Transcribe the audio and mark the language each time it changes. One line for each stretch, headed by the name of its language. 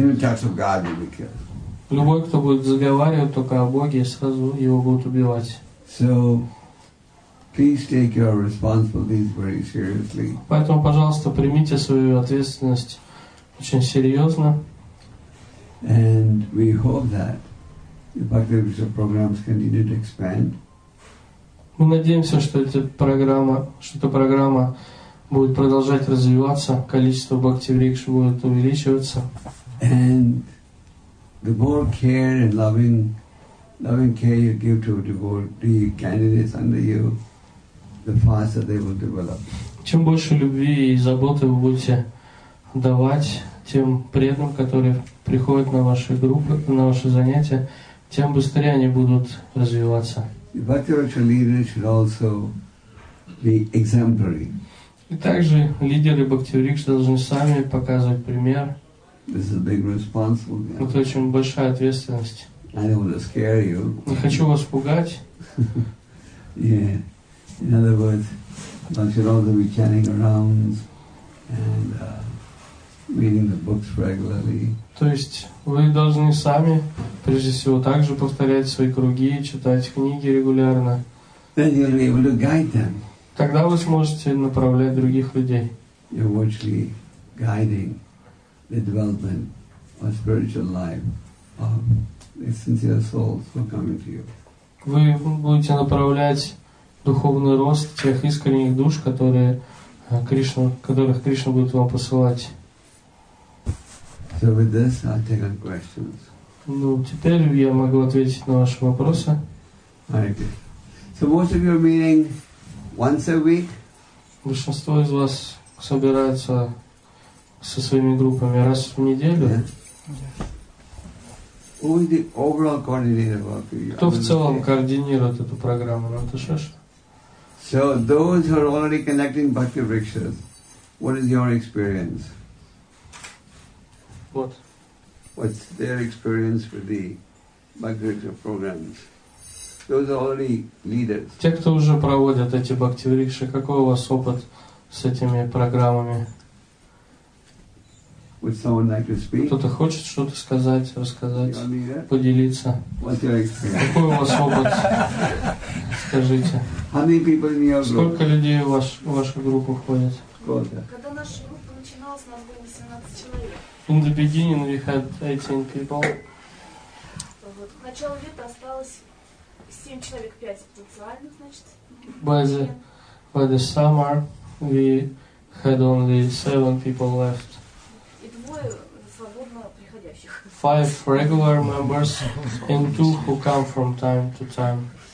English: Even talks of God will be killed.
Russian: Любой, кто будет заговаривать только о Боге, сразу его будут убивать.
English: So, please take your responsibilities very seriously.
Russian: Поэтому, пожалуйста, примите свою ответственность очень серьезно.
English: And we hope that the Bhakti Vriksha programs continue to expand.
Russian: Мы надеемся, что эта программа будет продолжать развиваться, количество Бхакти Врикш будет увеличиваться.
English: And the more care and loving care you give to a devotee, candidates under you, the faster they will develop.
Russian: Чем больше любви и заботы вы будете давать тем преданным, которые приходят на ваши группы, на ваши занятия, тем быстрее они будут развиваться.
English: The Bhakti Vriksha leaders should also be exemplary.
Russian: И также лидеры Бхакти Врикши должны сами показывать пример.
English: This is a big responsibility.
Russian: Это очень большая ответственность.
English: I don't want to scare you.
Russian: Не хочу вас пугать.
English: Yeah. In other words, one should also be chanting around and reading the books regularly.
Russian: То есть вы должны сами, прежде всего, также повторять свои круги, читать книги регулярно.
English: Then you'll be able to guide them.
Russian: Тогда вы сможете направлять других людей.
English: You're virtually guiding the development of spiritual life of sincere souls who are coming to you.
Russian: Вы будете направлять духовный рост тех искренних душ, которых Кришна будет вам посылать.
English: So with this, I'll take on questions.
Russian: Ну, теперь я могу ответить на ваши вопросы.
English: Okay. So most of you are meeting once a week?
Russian: Большинство из вас собираются со своими группами раз в неделю.
English: Yeah. Who is the overall coordinator of Bhakti?
Russian: Кто в целом координирует эту программу? Это Шешна.
English: So those who are already connecting Bhakti Vrikshas, what is your experience? What? What's their experience with the Bhakti Vriksha programs? Those are already leaders.
Russian: Те, кто уже проводят эти Бхакти Врикши, какой у вас опыт с этими программами?
English: Would someone like to speak?
Russian: Кто-то хочет что-то сказать, рассказать, поделиться. Какой у вас опыт? Скажите.
English: How many people in your group?
Russian: Сколько людей в вашу группу входит? Когда наша группа начиналась, у нас было 18 человек.
English: In the beginning we had 18 people.
Russian: Вот. К началу лета осталось 7 человек, 5 потенциальных, значит.
English: By the summer we had only 7 people left.
Russian: И двое свободно приходящих.
English: 5 regular members and 2 who come from time to time.